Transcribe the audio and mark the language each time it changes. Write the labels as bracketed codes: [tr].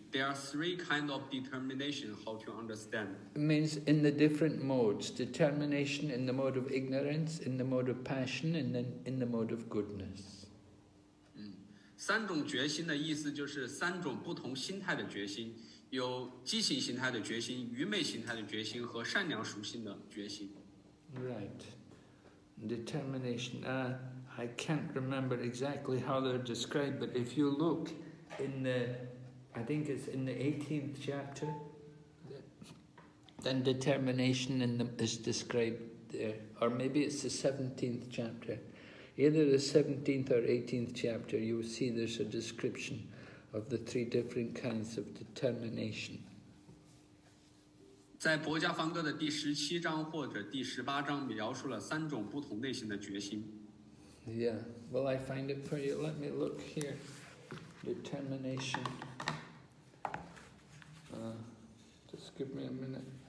[en] There are three kinds of determination, how to understand. It means in the different modes. Determination in the mode of ignorance, in the mode of passion, and then in the mode of goodness. [zh] 三种决心的意思就是三种不同心态的决心，有激情心态的决心，愚昧心态的决心，和善良属性的决心。 [en] Right. Determination. I can't remember exactly how they're described, but if you look in the, I think it's in the 18th chapter, then determination is described there. Or maybe it's the 17th chapter. Either the 17th or 18th chapter, you will see there's a description of the three different kinds of determination. [zh] 在《薄伽梵歌》的第17章或者第18章描述了三种不同类型的决心。 [en] Yeah, will I find it for you? Let me look here. Determination. Just give me a minute.